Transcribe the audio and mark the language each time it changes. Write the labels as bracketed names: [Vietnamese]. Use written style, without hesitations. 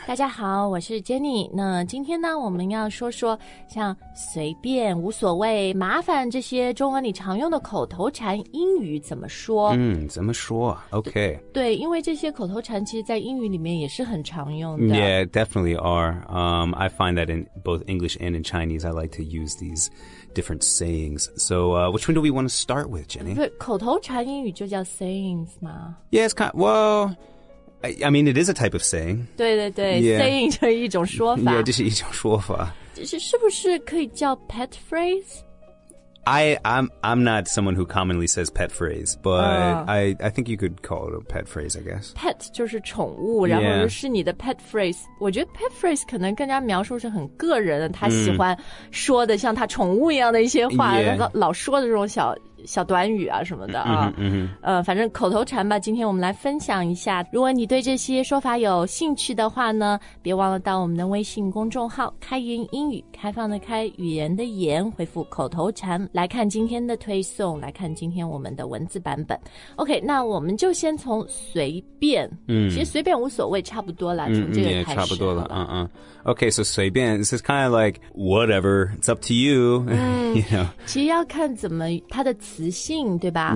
[Chinese] 大家好我是 Jenny 那今天呢我们要说说像随便无所谓麻烦这些中文里常用的口头禅英语怎么说怎么说 OK 对因为这些口头禅其实在英语里面也是很常用的 [English] Yeah definitely are I find that in both English and in Chinese I like to use these different sayings So which one do we want to start with Jenny? [Chinese] 对口头禅英语就叫 sayings 吗 [English] Yeah, it's kind of, well, I mean, it is a type of saying. [Chinese] 对对对 yeah. saying 就是一种说法。 Yeah, 这是一种说法。是不是可以叫 pet phrase? [English] I'm not someone who commonly says pet phrase, but、I think you could call it a pet phrase, I guess. [Chinese] Pet 就是宠物然后就是你的 pet phrase. 我觉得 pet phrase 可能更加描述是很个人的他喜欢说的像他宠物一样的一些话、老说的这种小短语啊什么的啊、反正口头禅吧今天我们来分享一下如果你对这些说法有兴趣的话呢别忘了到我们的微信公众号开言英语开放的开语言的言回复口头禅来看今天的推送来看今天我们的文字版本 OK 那我们就先从随便其实随便无所谓差不多了从这个开始 [English] yeah, [Chinese] 差不多了 [English] OK so 随便 this is kind of like whatever it's up to you, you know. [Chinese] 其实要看怎么它的词性对吧、